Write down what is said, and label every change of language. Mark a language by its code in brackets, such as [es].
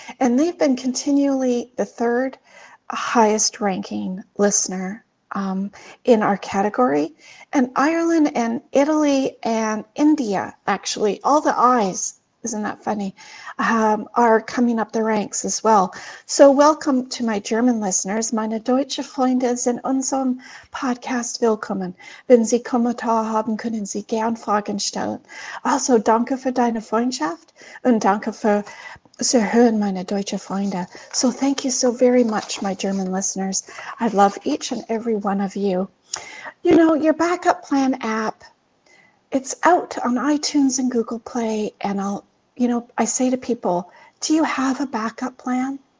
[en] And they've been continually the third highest ranking listener in our category, and Ireland and Italy and India, actually, all the eyes, isn't that funny, are coming up the ranks as well. So welcome to my German listeners, [de] meine deutsche Freunde, sind unserem Podcast willkommen, wenn Sie Kommentare haben, können Sie gern Fragen stellen. Also danke für deine Freundschaft und danke für zu hören, meine deutsche Freunde. [en] So thank you so very much, my German listeners. I love each and every one of you. You know, your backup plan app, it's out on iTunes and Google Play. And I say to people, do you have a backup plan?